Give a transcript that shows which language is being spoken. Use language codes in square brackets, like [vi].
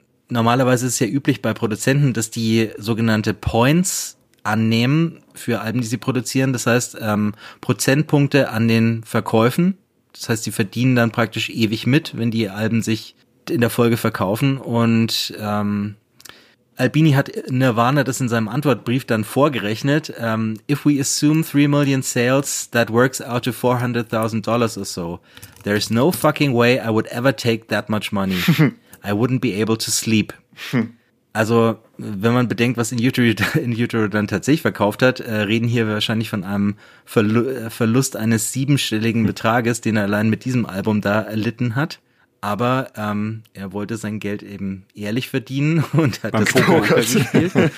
[de] Normalerweise ist es ja üblich bei Produzenten, dass die sogenannte Points annehmen für Alben, die sie produzieren. Das heißt, Prozentpunkte an den Verkäufen. Das heißt, sie verdienen dann praktisch ewig mit, wenn die Alben sich in der Folge verkaufen. Und Albini hat Nirvana das in seinem Antwortbrief dann vorgerechnet. [en] If we assume 3 million sales, that works out to $400,000 or so. There is no fucking way I would ever take that much money. I wouldn't be able to sleep. [de] Also, wenn man bedenkt, was In Utero dann tatsächlich verkauft hat, reden hier wahrscheinlich von einem Verlust eines siebenstelligen Betrages, den er allein mit diesem Album da erlitten hat. Aber er wollte sein Geld eben ehrlich verdienen und hat das Poker gespielt.